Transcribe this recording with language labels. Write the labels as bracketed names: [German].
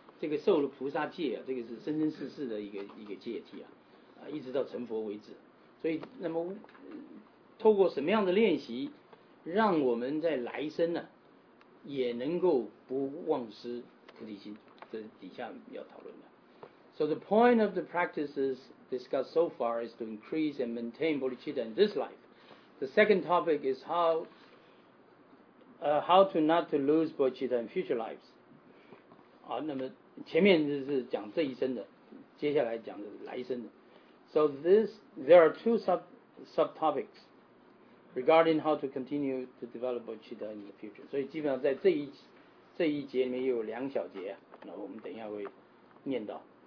[Chinese] 这个受了菩萨戒啊，这个是生生世世的一个戒体啊，啊，一直到成佛为止。所以，那么透过什么样的练习，让我们在来生呢、啊，也能够不忘失菩提心？这是底下要讨论的。 [English] So the point of the practices discussed so far is to increase and maintain bodhicitta in this life. The second topic is how to not to lose bodhicitta in future lives. [Chinese] 好，那么前面就是讲这一生的，接下来讲的来生的。 [English] So there are two subtopics regarding how to continue to develop bodhicitta in the future. [Chinese] 所以基本上在这一节里面又有两小节、啊，那我们等一下会念到。